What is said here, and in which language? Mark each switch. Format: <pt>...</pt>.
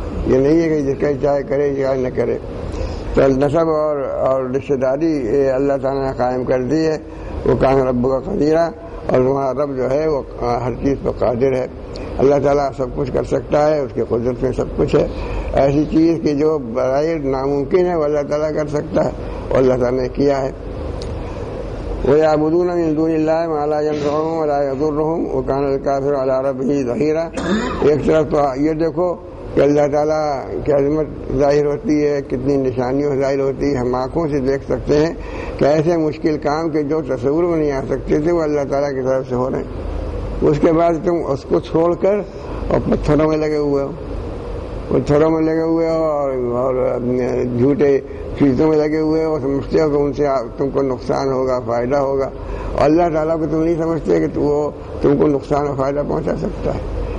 <ur>یہ نہیں ہے کہ جس کا چاہے کرے چاہے نہ کرے. تو نسب اور رشتہ داری اللہ تعالیٰ نے قائم کر دی ہے. وہ کان رب کا قدیرہ، اور وہاں رب جو ہے وہ ہر چیز پر قادر ہے. اللہ تعالیٰ سب کچھ کر سکتا ہے، اس کے قدرت میں سب کچھ ہے. ایسی چیز کی جو بغیر ناممکن ہے وہ اللہ تعالیٰ کر سکتا ہے، اور اللہ تعالیٰ نے کیا ہے.</ur> <ar>وہ یعبدون من دون اللہ ما لا ينفعهم ولا يضرهم وكان الكافر على ربه ظهيرا.</ar> <ur>ایک طرف تو یہ دیکھو کہ اللہ تعالیٰ کی عظمت ظاہر ہوتی ہے، کتنی نشانیوں ظاہر ہوتی ہے، ہم آنکھوں سے دیکھ سکتے ہیں کہ ایسے مشکل کام کے جو تصور میں نہیں آ سکتے تھے وہ اللہ تعالیٰ کی طرف سے ہو رہے ہیں. اس کے بعد تم اس کو چھوڑ کر اور پتھروں میں لگے ہوئے ہو، پتھروں میں لگے ہوئے ہو اور جھوٹے چیزوں میں لگے ہوئے ہو، سمجھتے ہو کہ ان سے تم کو نقصان ہوگا فائدہ ہوگا، اور اللہ تعالیٰ کو تم نہیں سمجھتے کہ تو وہ تم کو نقصان اور فائدہ پہنچا سکتا ہے.</ur>